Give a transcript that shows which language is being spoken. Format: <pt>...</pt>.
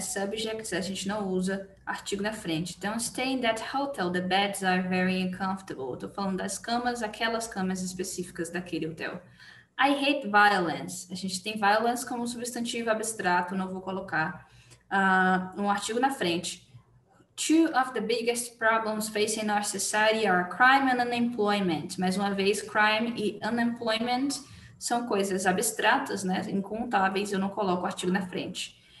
<pt>Subjects, a gente não usa artigo na frente.</pt> <en>Don't stay in that hotel. The beds are very uncomfortable.</en> <pt>Tô falando das camas, aquelas camas específicas daquele hotel.</pt> <en>I hate violence.</en> <pt>A gente tem violence como substantivo abstrato, não vou colocar um artigo na frente.</pt> <en>Two of the biggest problems facing our society are crime and unemployment.</en> <pt>Mais uma vez, crime e unemployment são coisas abstratas, né? Incontáveis, eu não coloco o artigo na frente.</pt>